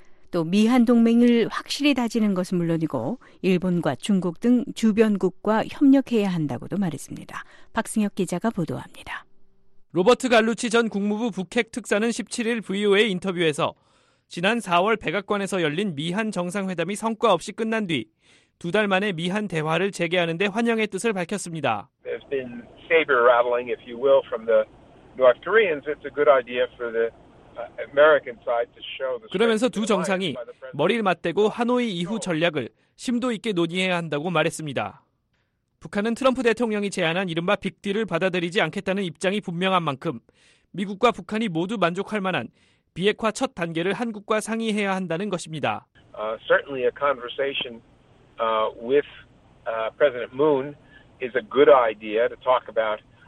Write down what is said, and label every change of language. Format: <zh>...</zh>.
<ko>또 미한 동맹을 확실히 다지는 것은 물론이고 일본과 중국 등 주변국과 협력해야 한다고도 말했습니다. 박승혁 기자가 보도합니다. 로버트 갈루치 전 국무부 북핵 특사는 17일 VOA 인터뷰에서 지난 4월 백악관에서 열린 미한 정상회담이 성과 없이 끝난 뒤 두 달 만에 미한 대화를 재개하는 데 환영의 뜻을 밝혔습니다.</ko> <en>There's been saber rattling, if you will, from the North Koreans. It's a good idea for the American side to show the.</en> <ko>그러면서 두 정상이 머리를 맞대고 하노이 이후 전략을 심도 있게 논의해야 한다고 말했습니다. 북한은 트럼프 대통령이 제안한 이른바 빅딜을 받아들이지 않겠다는 입장이 분명한 만큼 미국과 북한이 모두 만족할 만한 비핵화 첫 단계를 한국과 상의해야 한다는 것입니다.</ko> <en>Certainly a conversation. With President Moon is a good idea to talk about</en>